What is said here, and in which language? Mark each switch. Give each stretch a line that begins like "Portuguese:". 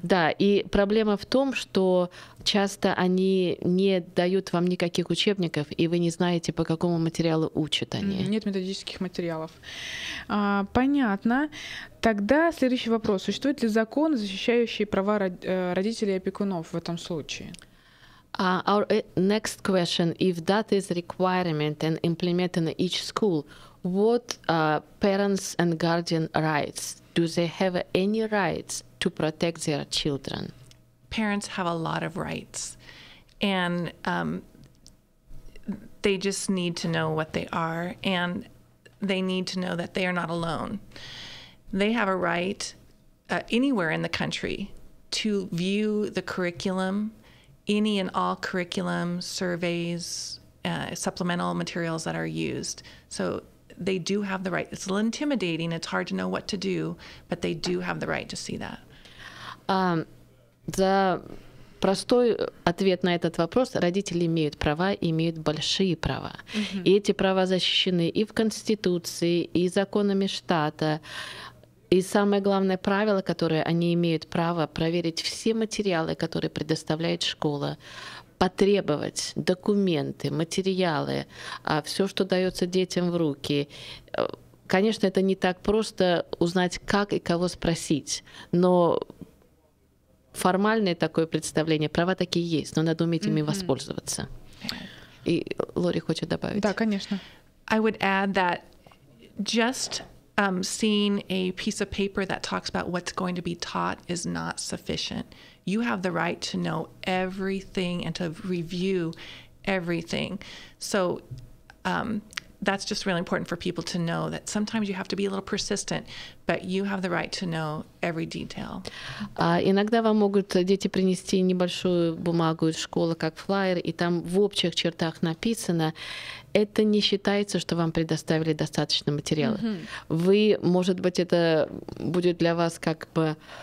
Russian: Да, и проблема в том, что часто они не дают вам никаких учебников, и вы не знаете, по какому материалу учат они. Нет методических материалов. А, понятно. Тогда следующий вопрос. Существует ли закон, защищающий права родителей и опекунов в этом случае?
English: Our next question. If that is requirement and implemented in each school, what parents and guardian rights? Do they have any rights to protect their children? Parents have a lot of rights, and they just need to know what they are, and they need to know that they are not alone. They have a right anywhere in the country to view the curriculum, any and all curriculum, surveys, supplemental materials that are used. So they do have the right. It's a little intimidating. It's hard to know what to do, but they do have the right to see that.
Russian: Да, простой ответ на этот вопрос. Родители имеют права, имеют большие права. И эти права защищены и в Конституции, и законами штата. И самое главное правило, которое они имеют право проверить все материалы, которые предоставляет школа, потребовать документы, материалы, все, что дается детям в руки. Конечно, это не так просто узнать, как и кого спросить, но формальное такое представление, права такие есть, но надо уметь ими воспользоваться. И Лори хочет добавить. Да, конечно.
English: I would add that just seeing a piece of paper that talks about what's going to be taught is not sufficient. You have the right to know everything and to review everything. So that's just really important for people to know that sometimes you have to be a little persistent, but you have the right to know every detail.
Russian: Иногда вам могут дети принести небольшую бумагу из школы, как флайер, и там в общих чертах написано, это не считается, что вам предоставили достаточно материала. Вы, может быть, это будет для вас как бы...